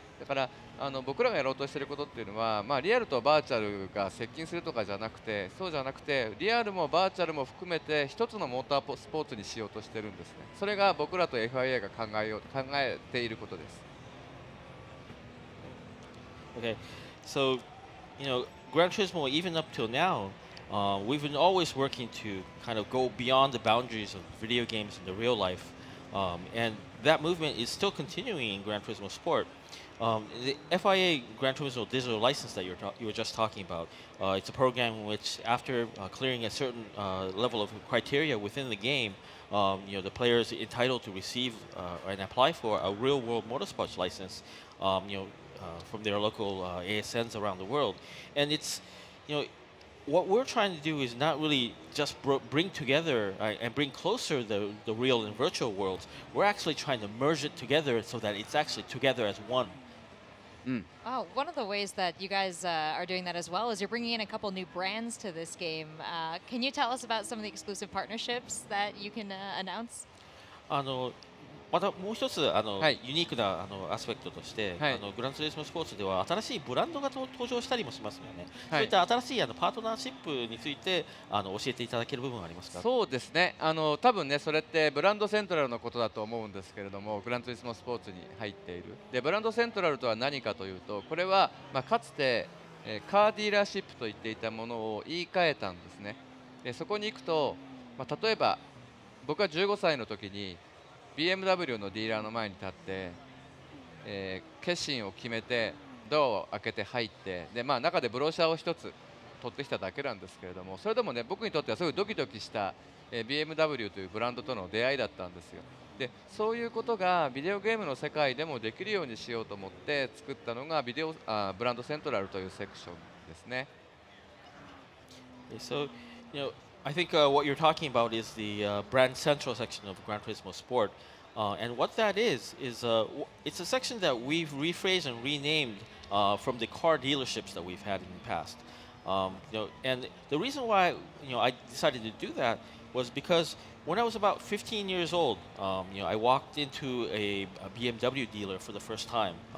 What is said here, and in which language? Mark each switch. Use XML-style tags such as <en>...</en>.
<ja>だからあの僕らがやろうとしていることっていうのは、まあ、リアルとバーチャルが接近するとかじゃなくて、そうじゃなくてリアルもバーチャルも含めて一つのモータースポーツにしようとしているんですね。それが僕らと FIA が考えていることです。</ja> <en>Okay, so you know, Gran Turismo even up till nowwe've been always working to kind of go beyond the boundaries of video games in the real life. And that movement is still continuing in Gran Turismo Sport. The FIA Gran Turismo Digital License that you were just talking about, it's a program which after clearing a certain level of criteria within the game, you know, the player is entitled to receive and apply for a real-world motorsports license, you know, from their local ASNs around the world. And it's, you know,what we're trying to do is not really just bring together and bring closer the real and virtual worlds. We're actually trying to merge it together so that it's actually together as one. Oh, one of the ways that you guys are doing that as well is you're bringing in a couple new brands to this game. Can you tell us about some of the exclusive partnerships that you can announce?</en> <ja>あのまたもう一つあの、はい、ユニークなあのアスペクトとして、はい、あのグランツーリスモスポーツでは新しいブランドが登場したりもしますよね、はい、そういった新しいあのパートナーシップについてあの教えていただける部分はありますか。そうですね、あの多分ねそれってブランドセントラルのことだと思うんですけれども、グランツーリスモスポーツに入っているで、ブランドセントラルとは何かというと、これは、まあ、かつてカーディーラーシップと言っていたものを言い換えたんですね。でそこに行くと、まあ、例えば僕は15歳の時に BMW のディーラーの前に立って、決心を決めてドアを開けて入って、で、まあ、中でブロシャーを一つ取ってきただけなんですけれども、それでもね僕にとってはすごいドキドキした、BMW というブランドとの出会いだったんですよ。でそういうことがビデオゲームの世界でもできるようにしようと思って作ったのがブランドセントラルというセクションですね。</ja> <en>So, you know, I think what you're talking about is the brand central section of Gran Turismo Sport. And what that is it's a section that we've rephrased and renamed from the car dealerships that we've had in the past. You know, and the reason why you know, I decided to do that was because when I was about 15 years old, you know, I walked into a BMW dealer for the first time.</en>